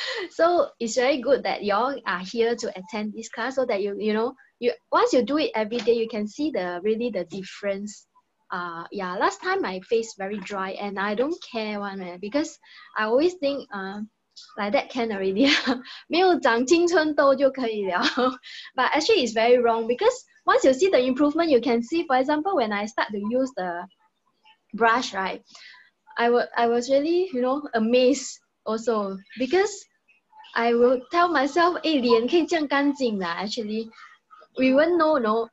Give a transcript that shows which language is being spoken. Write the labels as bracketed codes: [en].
[en] So it's very good that y'all are here to attend this class so that you know, once you do it every day, you can see the difference. Yeah, last time my face very dry and I don't care one man, because I always think like that can already. [zh] 没有长青春痘就可以了. [en] But actually it's very wrong because once you see the improvement, you can see, for example, when I start to use the brush, right? I was really, you know, amazed also because I will tell myself, hey, [zh] 脸可以这样干净的, [en] actually. We won't know, no.